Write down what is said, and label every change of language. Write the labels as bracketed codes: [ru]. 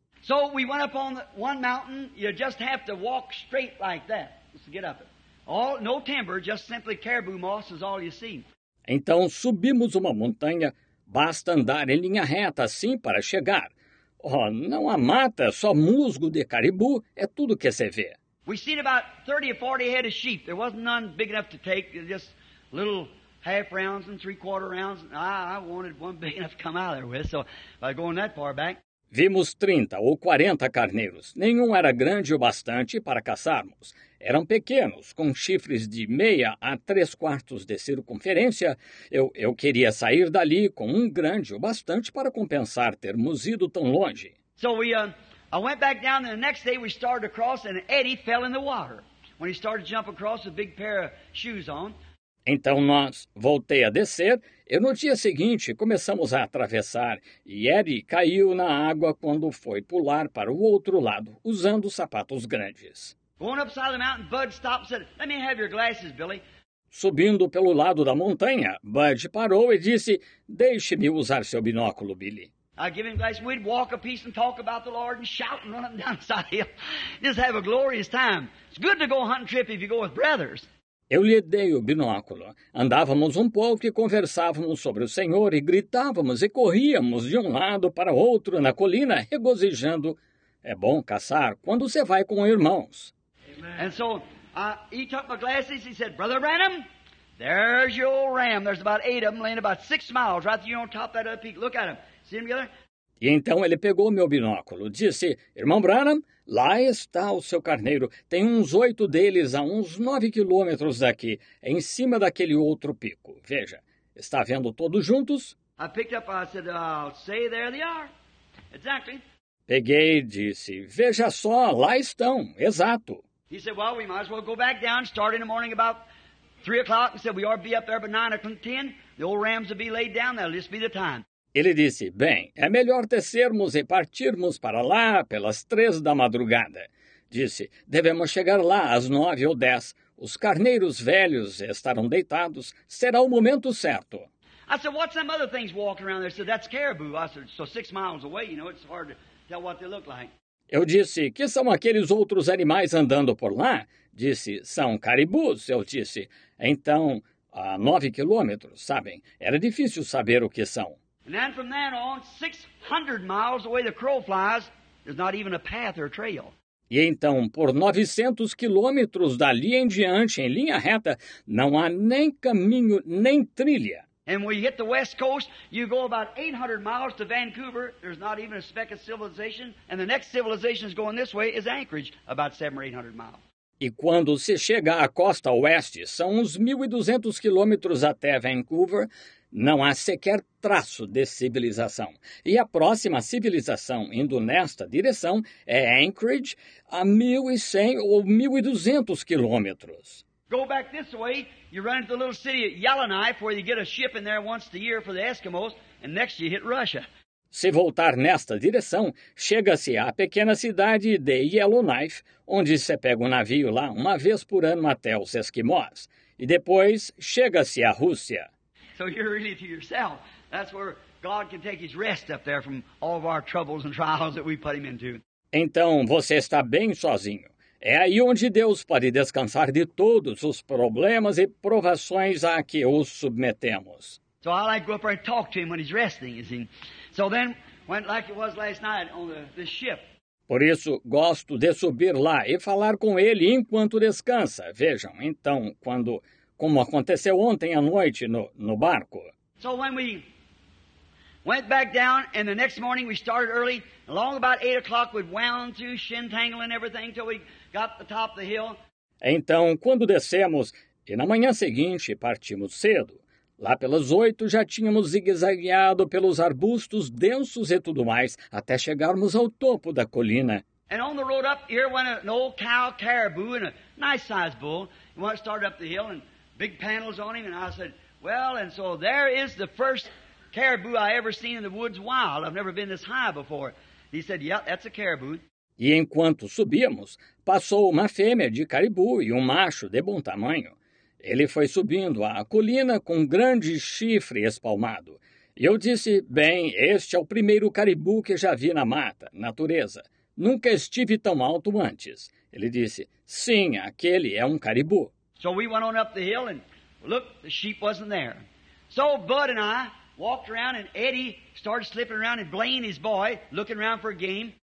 [en] So we went up on one mountain. You just have to walk straight like that. Just get up. All, no timber, just simply caribou moss is all you see. [pt] Então subimos uma montanha. Basta andar em linha reta assim para chegar. Oh, não há mata, só musgo de caribu, é tudo que você vê. [en] We seen about 30 or 40 head of sheep. There wasn't none big enough to take, just little half rounds and three quarter rounds. I wanted one big enough to come out of there with, so by going that far back. [pt] Vimos 30 ou 40 carneiros. Nenhum era grande o bastante para caçarmos. Eram pequenos, com chifres de 1/2 a 3/4 de circunferência. Eu queria sair dali com um grande o bastante para compensar termos ido tão longe. [en] So we I went back down and the next day we started across and Eddie fell in the water. When he started to jump across with a big pair of shoes on. [pt] Então nós voltei a descer e no dia seguinte começamos a atravessar e Eddie caiu na água quando foi pular para o outro lado, usando sapatos grandes. [en] Going up side of the mountain, Bud stopped and said, "Let me have your glasses, Billy." [pt] Subindo pelo lado da montanha, Bud parou e disse, "Deixe-me usar seu binóculo, Billy." [en] I give him glasses. We'd walk a piece and talk about the Lord and shout and run up and down the side hill. Just have a glorious time. It's good to go hunting trip if you go with brothers. [pt] Eu lhe dei o binóculo. Andávamos um pouco e conversávamos sobre o Senhor e gritávamos e corríamos de um lado para o outro na colina, regozijando. É bom caçar quando você vai com irmãos. [en] Amen. And so he took my glasses. He said, "Brother Branham, there's your old ram. There's about 8 of them laying about 6 miles right there on top of that other peak. Look at them. See them together?" [pt] E então ele pegou meu binóculo. Disse, "Irmão Branham, lá está o seu carneiro. Tem uns 8 deles a uns 9 quilômetros daqui, em cima daquele outro pico. Veja, está vendo todos juntos?" [en] I picked up and I said, "I'll say there they are." Exactly. [pt] Peguei e disse, "Veja só, lá estão, exato." [en] He said, "Well, we might as well go back down, start in the morning about 3 o'clock. He said, we ought to be up there by 9 or 10. The old rams will be laid down, that'll just be the time." [pt] Ele disse, "Bem, é melhor descermos e partirmos para lá pelas 3 da madrugada. Disse, "Devemos chegar lá às 9 ou 10. Os carneiros velhos estarão deitados. Será o momento certo." [en] I said, "What's some other things walking around there?" I said, "That's caribou." I said, "So 6 miles away, you know, it's hard to tell what they look like." [pt] Eu disse, "Que são aqueles outros animais andando por lá?" Disse, "São caribus." Eu disse, "Então, a 9 quilômetros, sabem, era difícil saber o que são." [en] And then from then on, 600 miles away the crow flies, there's not even a path or a trail. [pt] E então, por 900 quilômetros dali em diante, em linha reta, não há nem caminho, nem trilha. [en] And when you hit the west coast, you go about 800 miles to Vancouver, there's not even a speck of civilization, and the next civilization is going this way is Anchorage, about 700 or 800 miles. [pt] E quando se chega à costa oeste, são uns 1.200 quilômetros até Vancouver, não há sequer traço de civilização. E a próxima civilização indo nesta direção é Anchorage, a 1.100 ou 1.200 quilômetros. [en] Go back this way, you run into the little city of Yellowknife, where you get a ship in there once a year for the Eskimos, and next you hit Russia. [pt] Se voltar nesta direção, chega-se à pequena cidade de Yellowknife, onde você pega um navio lá uma vez por ano até os Esquimós. E depois, chega-se à Rússia. [en] So you're really to yourself. That's where God can take his rest up there from all of our troubles and trials that we put him into. [pt] Então, você está bem sozinho. É aí onde Deus pode descansar de todos os problemas e provações a que o submetemos. [en] So I like to go up there and talk to him when he's resting, you see. So then, went like it was last night on the ship. [pt] Por isso, gosto de subir lá e falar com ele enquanto descansa. Vejam, então, quando, como aconteceu ontem à noite no barco. [en] So when we Went back down, and the next morning we started early. Along about 8 o'clock we wound through shintangling everything till we got the top of the hill. [pt] Então, quando descemos, e na manhã seguinte partimos cedo, lá pelas 8 já tínhamos zigue-zagueado pelos arbustos densos e tudo mais, até chegarmos ao topo da colina. [en] And on the road up, here went an old cow caribou and a nice-sized bull. He wanted to start up the hill and big panels on him. And I said, well, and so there is the first caribou I ever seen in the woods wild. I've never been this high before. He said, yeah, that's a caribou. [pt] E enquanto subíamos, passou uma fêmea de caribou e um macho de bom tamanho. Ele foi subindo à colina com um grande chifre espalmado. E eu disse, bem, este é o primeiro caribou que já vi na mata, natureza. Nunca estive tão alto antes. Ele disse, sim, aquele é um caribou. [en] So we went on up the hill and looked, the sheep wasn't there. So Bud and I walked around and Eddie started slipping around and Blaine, his boy, looking around for a game.